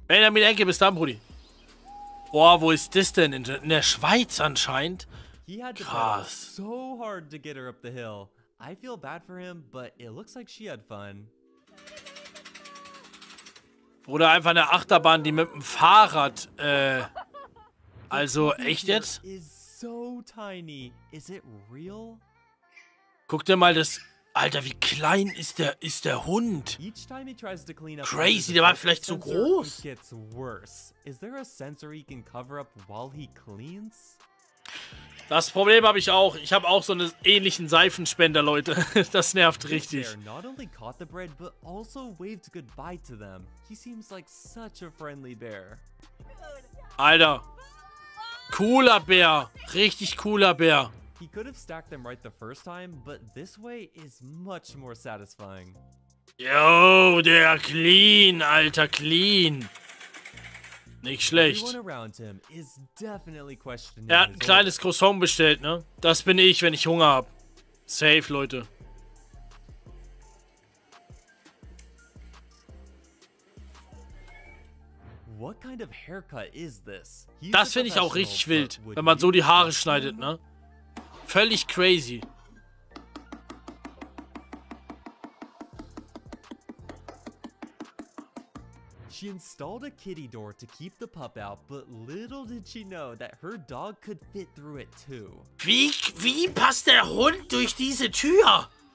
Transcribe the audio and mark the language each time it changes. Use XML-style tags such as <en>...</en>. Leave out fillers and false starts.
<de>Benjamin Enke, bis dann, Brudi. Boah, wo ist das denn? In der Schweiz anscheinend.</de> <en>He had to</en> <de>krass.</de> <en>So hard to get her up the hill. I feel bad for him, but it looks like she had fun.</en> <de>Oder einfach eine Achterbahn, die mit dem Fahrrad, also echt jetzt?</de> <en>Is so tiny. Is it real?</en> <de>Guck dir mal das Alter, wie klein ist der Hund?</de> <en>Each time he tries to clean up</en> <de>crazy, der war vielleicht zu groß.</de> <en>Gets worse. Is there a sensor he can cover up while he cleans?</en> <de>Das Problem habe ich auch. Ich habe auch so einen ähnlichen Seifenspender, Leute. Das nervt richtig.</de> <en>Not only caught the bread, but also waved goodbye to them. He seems like such a friendly bear.</en> <de>Alter. Cooler Bär. Richtig cooler Bär.</de> <en>He could have stacked them right the first time, but this way is much more satisfying.</en> <de>Yo, der clean, Alter, clean. Nicht schlecht.</de> <en>Everyone around him is definitely questioning.</en> <de>Er hat ein kleines Croissant bestellt, ne? Das bin ich, wenn ich Hunger hab. Safe, Leute.</de> <en>What kind of haircut is this?</en> <de>Das finde ich auch richtig wild, wenn man so die Haare schneidet, ne? Völlig crazy.</de> <en>She installed a kitty door to keep the pup out, but little did she know that her dog could fit through it too.</en> <de>Wie passt der Hund durch diese Tür?</de>